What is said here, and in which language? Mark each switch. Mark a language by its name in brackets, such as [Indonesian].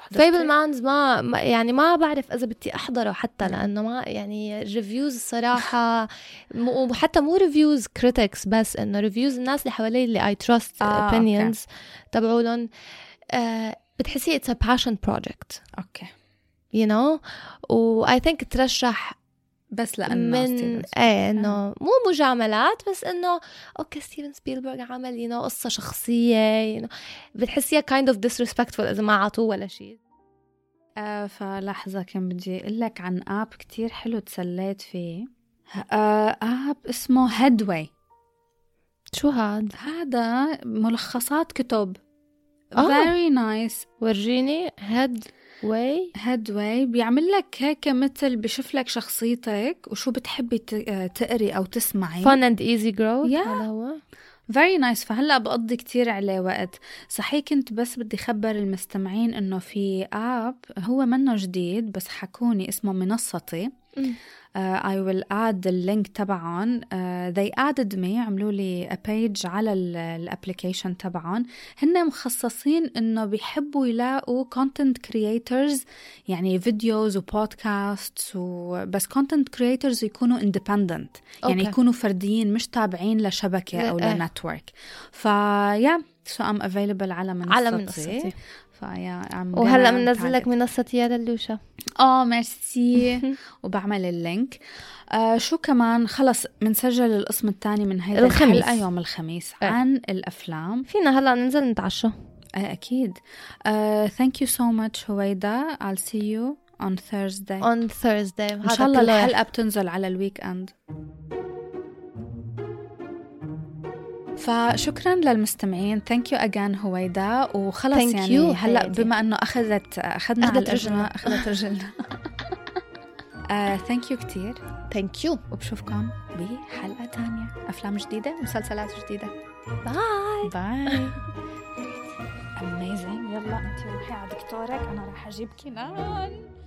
[Arabic] Fablemans ما يعني ما بعرف إذا بدي أحضره حتى لأنه ما يعني ريفيوز صراحة وحتى مو ريفيوز كريتكس بس إنه ريفيوز الناس اللي حوالي اللي [English] I trust opinions [Arabic] تبعولهم بتحسي [English] it's a passion project. [Arabic] أوكي. [English] You know وI think [Arabic] ترشح بس لأنه من إيه إنه مو مجاملات بس إنه أوكي ستيفن سبيلبرغ عمل ينو قصة شخصية ينو بتحسيها [English] kind of disrespectful [Arabic] إذا ما عطوه ولا شيء. فلحظة كم بدي أقولك عن آب كتير حلو تسليت فيه. آب اسمه هيدوي. شو هاد؟ هذا ملخصات كتب. [English] Very nice. [Arabic] ورجيني هيد واي هيد واي بيعمل لك هيك مثل بيشوف لك شخصيتك وشو بتحبي تقري او تسمعي. [English] Fun and easy growth. [Arabic] هذا هو [English] Very nice. [Arabic] فهلا بقضي كتير عليه وقت. صحيح كنت بس بدي خبر المستمعين انه في اب هو منه جديد بس حكوني اسمه منصتي. [English] I will add the link [Arabic] تبعهم. [English] They added me. [Arabic] عملوا لي [English] a page [Arabic] على الابليكيشن تبعهم. هن مخصصين انه بيحبوا يلاقوا content creators يعني videos وpodcasts بس content creators يكونوا independent يعني okay. يكونوا فرديين مش تابعين لشبكة او لنتورك. فيا [English] so I'm available [Arabic] على منصتي. على منصتي. وهلا منزل لك منصتي يا دلوشة. ميرسي. وبعمل اللينك. شو كمان خلص منسجل القسم الثاني من هيدا الحلقة يوم الخميس عن الأفلام. فينا هلا ننزل نتعشى. أكيد. [English] Thank you so much هويدا. I'll see you on Thursday. On Thursday. [Arabic] إن شاء الله كله. الحلقة بتنزل على الويك أند. فشكرا للمستمعين. [English] Thank you again هويدا [Arabic] وخلص [English] Thank يعني you. [Arabic] هلأ بما أنه أخذنا أخذت رجلنا أخذت رجلنا. [English] Thank you [Arabic] كتير. [English] Thank you. [Arabic] وبشوفكم بحلقة تانية أفلام جديدة مسلسلات جديدة. [English] Bye bye. Amazing. [Arabic] يلا أنتي روحي على دكتورك أنا راح أجيب كنان.